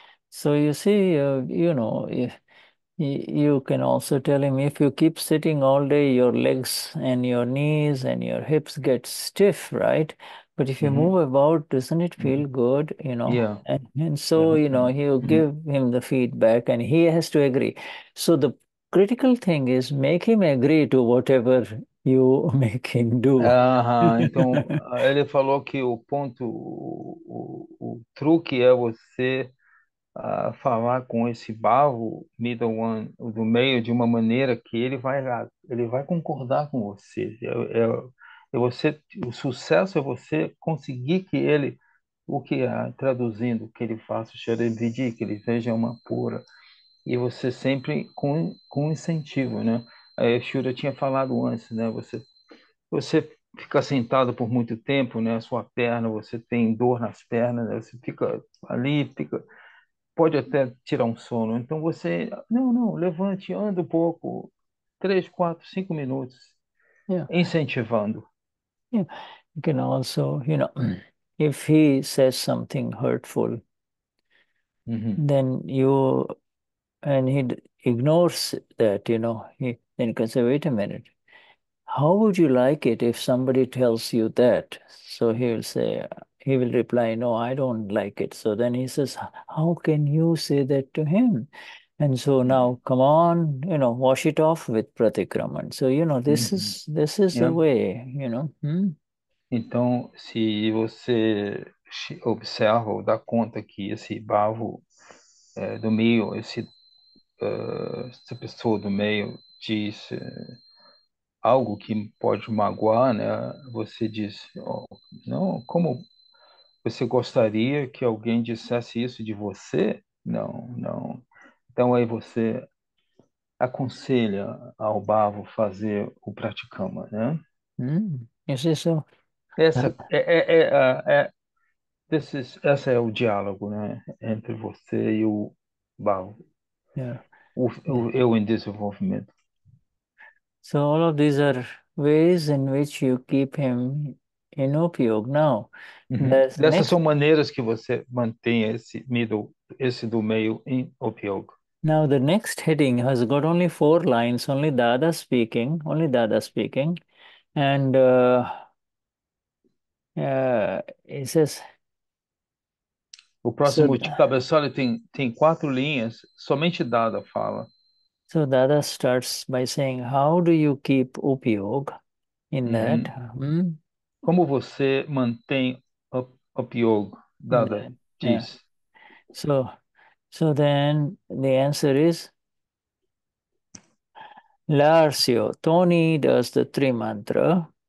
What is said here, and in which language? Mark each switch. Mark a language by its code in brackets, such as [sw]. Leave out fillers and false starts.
[en] So you see, you can also tell him if you keep sitting all day, your legs and your knees and your hips get stiff, right? But if you move about, doesn't it feel good, And so, you give him the feedback and he has to agree. So the critical thing is make him agree to whatever you make him do. [pt] Então ele falou que o ponto, o truque é você falar com esse barro, [en] middle one, [pt] do meio, de uma maneira que ele vai concordar com você. O sucesso é você conseguir que ele, o que é, traduzindo, que ele faça o xerebidi, que ele veja uma pura, e você sempre com incentivo, né? Aí Shura tinha falado antes, né? Você fica sentado por muito tempo, né? A sua perna, você tem dor nas pernas, né? Você fica ali, pode até tirar um sono. Então você, não, levante, anda um pouco, 3, 4, 5 minutos, incentivando. [en] You can also, if he says something hurtful, then you and he d ignores that, he then you can say, wait a minute, how would you like it if somebody tells you that? So he will reply, no, I don't like it. So then he says, how can you say that to him? And so now, come on, wash it off with pratikraman. So, this is the way, [pt] Então, se você observa ou dá conta que esse bavo do meio, essa pessoa do meio diz algo que pode magoar, né? Você diz, oh, não, como você gostaria que alguém dissesse isso de você? Não. Então aí você aconselha ao bavo fazer o pratikama, né? Isso Essa é o diálogo, né, entre você e o Bau. eu em desenvolvimento. [en] So all of these are ways in which you keep him in opioid. Now, the [pt] Dessas [en] next. [pt] são maneiras que você mantém esse middle, esse do meio em opioid. [en] Now, the next heading has got only 4 lines, only Dada speaking, only Dada speaking. And it says. [pt] O [en] So [pt] próximo tipo cabeçalho tem 4 linhas, somente Dada fala. [en] Dada starts by saying, how do you keep upyog in that? [pt] Como você mantém opiogo? Dada diz. [en] So then the answer is Larcio, Tony does the three mantra.